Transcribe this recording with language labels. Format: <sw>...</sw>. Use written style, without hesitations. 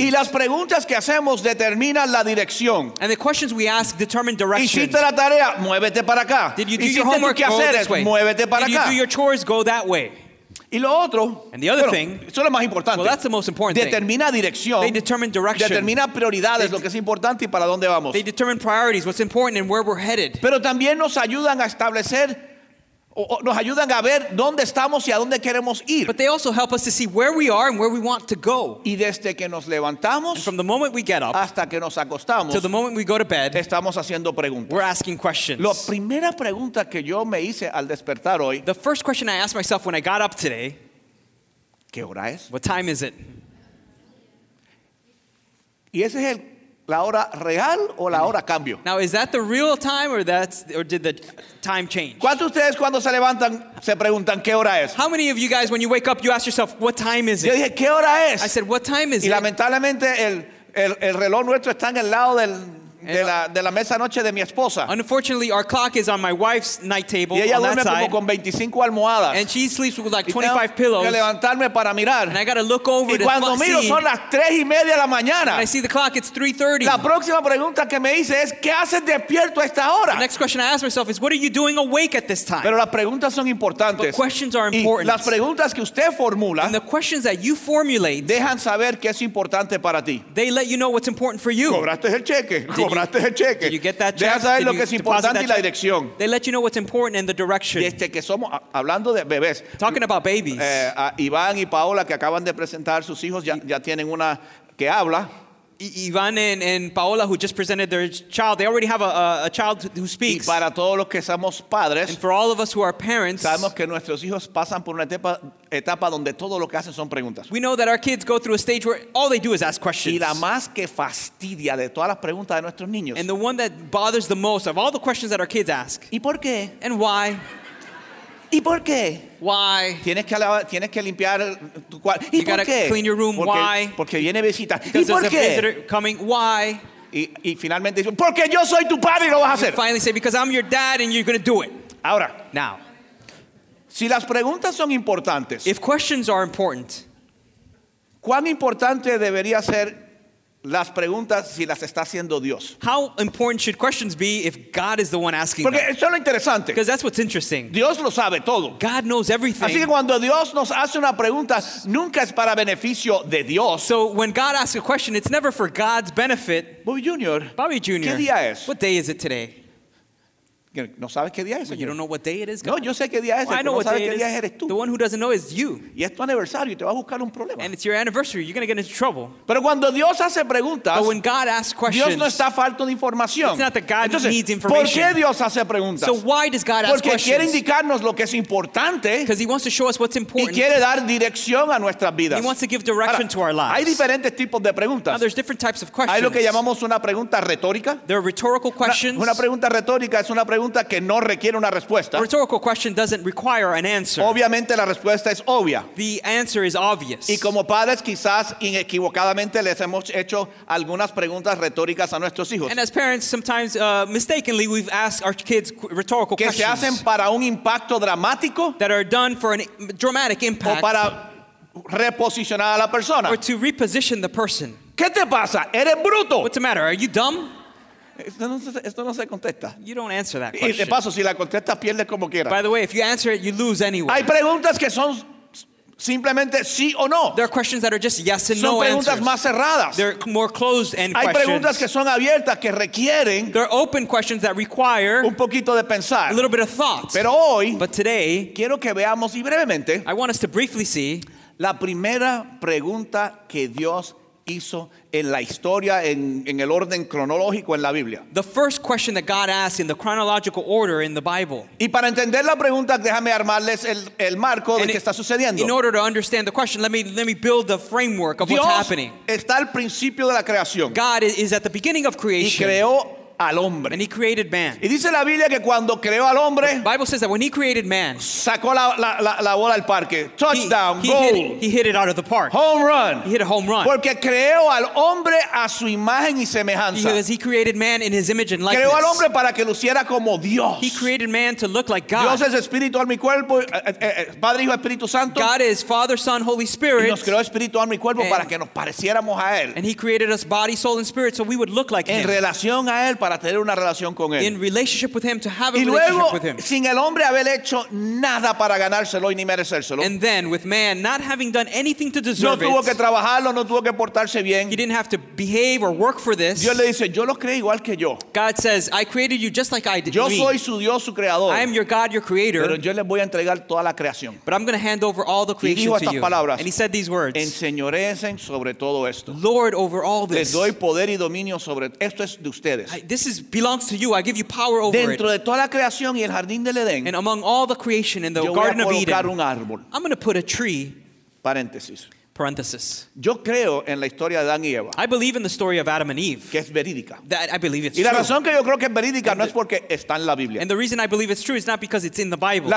<es>Y las preguntas que hacemos determinan la dirección.</es> <en>And the questions we ask determine direction.</en> <es>¿Hiciste la tarea? Muévete para acá.</es> <en>Did you do your homework? Go this way.</en> <es>Muévete para acá.</es> <en>Did you do your chores? Go that way.</en> <es>Y lo otro,</es> <en>and the other thing,</en> <es>eso es lo más importante.</es> <en>Well, that's the most important</en> <es>thing. Determina dirección.</es> <en>They determine direction.</en> <es>Determina prioridades, lo que es importante y para dónde vamos.</es> <en>They determine priorities, what's important and where we're headed.</en> <es>Pero también nos ayudan a establecer o nos ayudan a ver dónde estamos y a dónde queremos ir.</es> <en>But they also help us to see where we are and where we want to go.</en> <es>Y desde que nos levantamos</es> <en>and from the moment we get up</en> <es>hasta que nos acostamos</es> <en>till the moment we go to bed</en> <es>estamos haciendo preguntas.</es> <en>We're asking questions.</en> <es>La primera pregunta que yo me hice al despertar hoy,</es> <en>the first question I asked myself when I got up today,</en> <es>¿qué hora es?</es> <en>What time is it?</en> <es>Y ese es la hora real o la hora cambio.</es> <en>Now is that the real time or did the time change?</en> <es>¿Cuántos ustedes cuando se levantan se preguntan qué hora es?</es> <en>How many of you guys when you wake up you ask yourself what time is it?</en> <es>Yo dije qué hora es.</es> <en>I said what time is</en> <es>it? Y lamentablemente el reloj nuestro está en el lado del de la mesa noche de mi esposa.</es> <en>Unfortunately, our clock is on my wife's night table.</en> <es>Y ella</es> <en>on</en> <es>duerme</es> <en>that side.</en> <es>Como con 25 almohadas.</es> <en>And she sleeps with like 25 pillows.</en> <es>Y tengo que levantarme para mirar.</es> <en>And I gotta look over</en> <es>y cuando miro</es> <en>see.</en> <es>Son las 3:30 de la mañana.</es> <en>And I see the clock, it's 3:30.</en> <es>La próxima pregunta que me hice es ¿qué haces despierto a esta hora?</es> <en>The next question I ask myself is what are you doing awake at this time?</en> <es>Pero las preguntas son importantes.</es> <en>But questions are important.</en> <es>Y las preguntas que usted formula</es> <en>and the questions that you formulate</en> <es>dejan saber qué es importante para ti.</es> <en>They let you know what's important for you.</en> <es>¿Cobraste el cheque?</es> <en>Did you get that check?</en> <es>Deja saber lo que es importante y la dirección.</es> <en>They let you know what's important and the direction.</en> <es>Desde que somos hablando de bebés.</es> <en>Talking about babies.</en> <es>Iván y Paola que acaban de presentar sus hijos ya tienen una que habla.</es> <en>Ivan and Paola, who just presented their child, they already have a child who speaks.</en> <es>Y para todos los que somos padres,</es> <en>and for all of us who are parents,</en> <es>sabemos que nuestros hijos pasan por una etapa donde todo lo que hacen son preguntas.</es> <en>We know that our kids go through a stage where all they do is ask questions.</en> <es>Y la más que fastidia de todas las preguntas de nuestros niños.</es> <en>And the one that bothers the most of all the questions that our kids ask.</en> <es>¿Y por qué?</es> <en>And why?</en> <es>¿Y por qué?</es> <en>Why?</en> <es>Tienes que limpiar tu cuarto. ¿Y por qué?</es> <en>Clean your room. Why?</en> <es>Porque viene visita. ¿Y por qué?</es> <en>Because there's a visitor coming. Why?</en> <es>Y finalmente dice, porque yo soy tu padre y lo vas a hacer.</es> <en>You finally say, because I'm your dad and you're going to do it.</en> <es>Ahora.</es> <en>Now.</en> <es>Si las preguntas son importantes.</es> <en>If questions are important.</en> <es>¿Cuán importante debería ser las preguntas si las está haciendo Dios?</es> <en>How important should questions be if God is the one asking</en> <es>Porque</es> <en>them?</en> <es>Porque eso es lo interesante.</es> <en>Because that's what's interesting.</en> <es>Dios lo sabe todo.</es> <en>God knows everything.</en> <es>Así que cuando Dios nos hace una pregunta, nunca es para beneficio de Dios.</es> <en>So when God asks a question, it's never for God's benefit.</en> <es>Bobby Jr. ¿Qué día es?</es> <en>What day is it today?</en> <es>No sabes qué día es.</es> <en>Well, you don't know what day it is, God.</en> <es>No, yo sé qué día es.</es> <en>Well, I know what</en> <es>no</es> <en>day</en> <es>sabes</es> <en>it</en> <es>qué Día</es> <en>the one who doesn't know is you.</en> <es>Y es tu aniversario y te va a buscar un problema.</es> <en>And it's your anniversary. You're going to get into trouble.</en> <es>Pero cuando Dios hace preguntas,</es> <en>but when God asks questions,</en> <es>Dios no está falto de información.</es> <en>It's not that God</en> <es>Entonces,</es> <en>needs information.</en> <es>¿Por qué Dios hace preguntas?</es> <en>So why does God</en> <es>Porque</es> <en>ask questions?</en> <es>Quiere indicarnos lo que es importante.</es> <en>Because he wants to show us what's important.</en> <es>Y quiere dar dirección a nuestras vidas.</es> <en>He wants to give direction</en> <es>Ahora,</es> <en>to our lives.</en> <es>Hay diferentes tipos de preguntas.</es> <en>Now, there's different types of questions.</en> <es>Hay lo que llamamos una pregunta retórica.</es> <en>There are rhetorical questions.</en> <es>Una pregunta retórica es una pregunta que no requiere una respuesta.</es> <en>A rhetorical question doesn't require an answer.</en> <es>Obviamente la respuesta es obvia.</es> <en>The answer is obvious.</en> <es>Y como padres quizás inequivocadamente les hemos hecho algunas preguntas retóricas a nuestros hijos.</es> <en>And as parents sometimes mistakenly we've asked our kids rhetorical</en> <es>que</es> <en>questions.</en> <es>Que se hacen para un impacto dramático.</es> <en>That are done for a dramatic impact.</en> <es>O para reposicionar a la persona.</es> <en>Or to reposition the person.</en> <es>¿Qué te pasa? ¿Eres bruto?</es> <en>What's the matter? Are you dumb?</en> <es>Esto no se contesta.</es> <en>You don't answer that question.</en> <es>Y de paso, si la contestas, pierdes como quieras.</es> <en>By the way, if you answer it, you lose anyway.</en> <es>Hay preguntas que son simplemente sí o no.</es> <en>There are questions that are just yes and</en> <es>son</es> <en>no answers.</en> <es>Son preguntas más cerradas.</es> <en>They're more closed-end</en> <es>Hay</es> <en>questions.</en> <es>Hay preguntas que son abiertas que requieren.</es> <en>They're open questions that require</en> <es>un poquito de pensar.</es> <en>A little bit of thought.</en> <es>Pero hoy,</es> <en>but today,</en> <es>quiero que veamos y brevemente.</es> <en>I want us to briefly see</en> <es>la primera pregunta que Dios hizo en la historia en el orden cronológico en la Biblia.</es> <en>The first question that God asked in the chronological order in the Bible.</en> <es>Y para entender la pregunta, déjame armarles el marco de qué está sucediendo.</es> <en>In order to understand the question, let me build the framework of</en> <es>Dios</es> <en>what's happening.</en> <es>Está al principio de la creación.</es> <en>God is at the beginning of creation.</en> <es>Y creó al hombre.</es> <en>And he created man.</en> <es>Y dice la Biblia que cuando creó al hombre,</es> <en>the Bible says that when he created man,</en> <es>sacó la bola al parque.</es> <en>Touchdown, goal. He hit it out of the park. Home run. He hit a home run.</en> <es>Porque creó al hombre a su imagen y semejanza.</es> <en>Because he created man in his image and likeness.</en> <es>Creó al hombre para que luciera como Dios.</es> <en>He created man to look like God.</en> <es>Dios es espíritu, alma y cuerpo. Padre, Hijo, Espíritu Santo.</es> <en>God is Father, Son, Holy Spirit.</en> <es>Y nos creó espíritu, alma y cuerpo para que nos pareciéramos a él.</es> <en>And he created us body, soul, and spirit so we would look like</en> <es>en</es> <en>him.</en> <es>En relación a él para tener una relación con él.</es> <en>In relationship with him, to have a</en> <es>y luego,</es> <en>relationship with him.</en> <es>Sin el hombre haber hecho nada para ganárselo y ni merecérselo.</es> <en>And then with man not having done anything to deserve</en> <es>it. No tuvo que trabajarlo, no tuvo que portarse bien.</es> <en>He didn't have to behave or work for this.</en> <es>Dios le dice, yo lo creé igual que yo.</es> <en>God says, I created you just like I did.</en> <es>Yo soy su Dios, su creador.</es> <en>I am your God, your creator.</en> <es>Pero yo le voy a entregar toda la creación.</es> <en>But I'm going to hand over all the creation</en> <es>y dijo estas</es> <en>to you.</en> <es>Palabras,</es> <en>and he said these words.</en> <es>Enseñorecen sobre todo esto.</es> <en>Lord over all this.</en> <es>Les doy poder y dominio sobre esto es de ustedes.</es> <en>This belongs to you. I give you power over</en> <es>Dentro</es> <en>it.</en> <es>De toda la creación y el jardín del Edén,</es> <en>and among all the creation in the Garden of Eden,</en> <es>un árbol.</es> <en>I'm going to put a tree.</en> <es>Paréntesis.</es> <en>Parenthesis.</en> <es>Yo creo en la historia de Adán y Eva.</es> <en>I believe in the story of Adam and Eve.</en> <es>Que es verídica.</es> <en>That I believe it's</en> <es>y la</es> <en>true.</en> <es>Razón que yo creo que es verídica and no es porque está en la Biblia.</es> <en>And the reason I believe it's true is not because it's in the Bible.</en>